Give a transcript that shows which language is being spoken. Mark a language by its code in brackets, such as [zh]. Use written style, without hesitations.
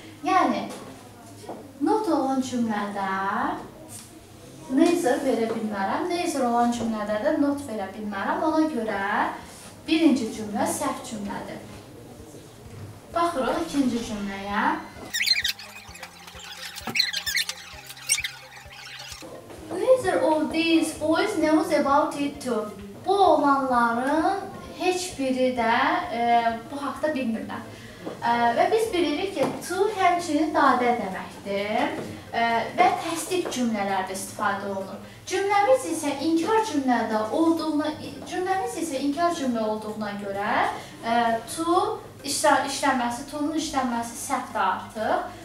[az] Yəni, not olan cümlədə neither verə bilmərəm, neither olan cümlədə də not verə bilmərəm. Ona görə birinci cümlə səhv cümlədir. Baxırıq ikinci cümləyə. [en] Neither of these boys knows about it too. [az] Bu olanların heç biri də bu haqda bilmirlər. Və biz bilirik ki, to həmçinin dadə deməkdir və təsdiq cümlələrdə istifadə olunur. Cümləmiz isə inkar cümlədə olduğuna, cümləmiz isə inkar cümlə olduğuna görə to işlənməsi, to-nun işlənməsi səhvdir artıq.